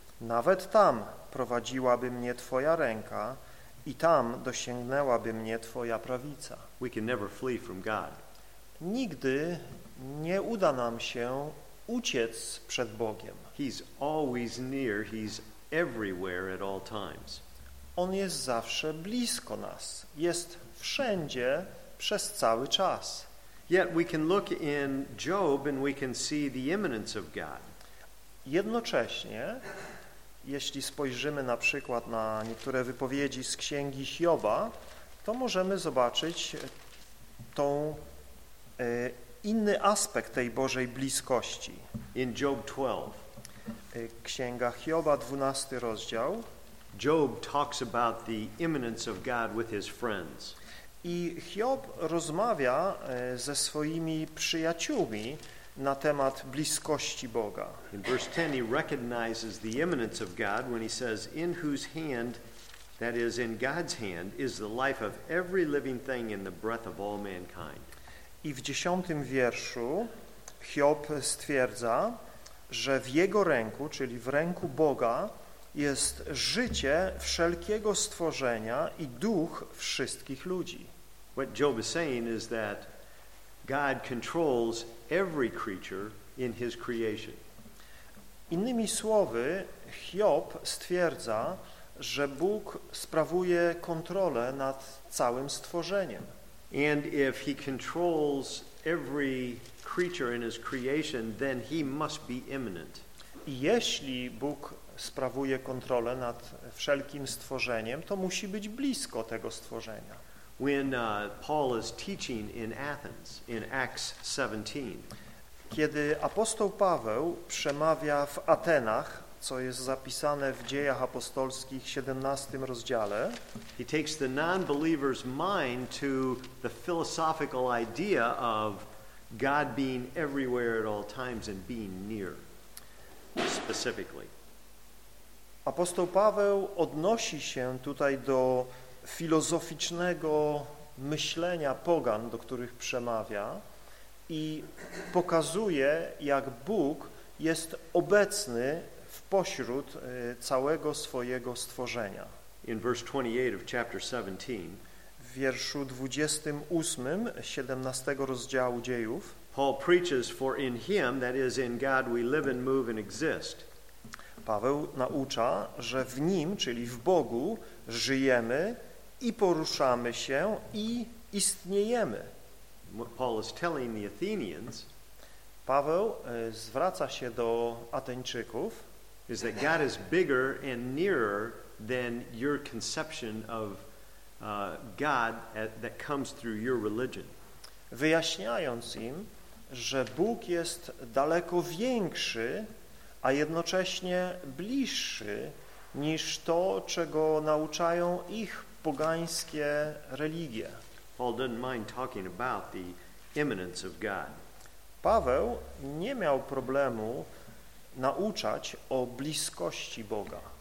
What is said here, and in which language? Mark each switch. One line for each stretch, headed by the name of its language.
Polish: Nawet tam prowadziłaby mnie Twoja ręka i tam dosięgnęłaby mnie Twoja prawica.
English: We can never flee from God.
Polish: Nigdy nie uda nam się uciec przed Bogiem.
English: He's always near, he's everywhere at all times.
Polish: On jest zawsze blisko nas, jest wszędzie przez cały czas.
English: Yet we can look in Job and we can see the imminence of God.
Polish: Jednocześnie, jeśli spojrzymy na przykład na niektóre wypowiedzi z Księgi Hioba, to możemy zobaczyć tą inny aspekt tej Bożej bliskości.
English: In Job 12.
Polish: Księga Hioba, 12 rozdział.
English: Job talks about the imminence of God with his friends.
Polish: I Hiob rozmawia ze swoimi przyjaciółmi na temat bliskości Boga.
English: In verse 10 he recognizes the imminence of God when he says, in whose hand, that is in God's hand, is the life of every living thing in the breath of all mankind.
Polish: I w 10 wierszu Hiob stwierdza, że w jego ręku, czyli w ręku Boga, jest życie wszelkiego stworzenia i duch wszystkich ludzi.
English: What Job is saying is that God controls every creature in his creation.
Polish: Innymi słowy, Hiob stwierdza, że Bóg sprawuje kontrolę nad całym stworzeniem.
English: And if he controls every creature in his creation, then he must be imminent.
Polish: Jeśli Bóg sprawuje kontrolę nad wszelkim stworzeniem, to musi być blisko tego stworzenia.
English: When Paul is teaching in Athens in Acts 17.
Polish: Kiedy apostoł Paweł przemawia w Atenach, co jest zapisane w Dziejach Apostolskich 17 rozdziale,
English: he takes the non-believer's mind to the philosophical idea of God being everywhere at all times and being near specifically.
Polish: Apostoł Paweł odnosi się tutaj do filozoficznego myślenia pogan, do których przemawia, i pokazuje, jak Bóg jest obecny w pośród całego swojego stworzenia.
English: In verse 28 of chapter 17,
Polish: w wierszu 28, 17 rozdziału Dziejów,
English: Paul preaches, for in him, that is in God, we live and move and exist.
Polish: Paweł naucza, że w Nim, czyli w Bogu, żyjemy i poruszamy się i istniejemy.
English: Paul is telling the Athenians,
Polish: Paweł zwraca się do Ateńczyków,
English: is that God is bigger and nearer than your conception of God that comes through your religion.
Polish: Wyjaśniając im, że Bóg jest daleko większy, a jednocześnie bliższy niż to, czego nauczają ich pogańskie religie.
English: Paul didn't mind talking about the imminence of God.
Polish: Paweł nie miał problemu nauczać o bliskości Boga.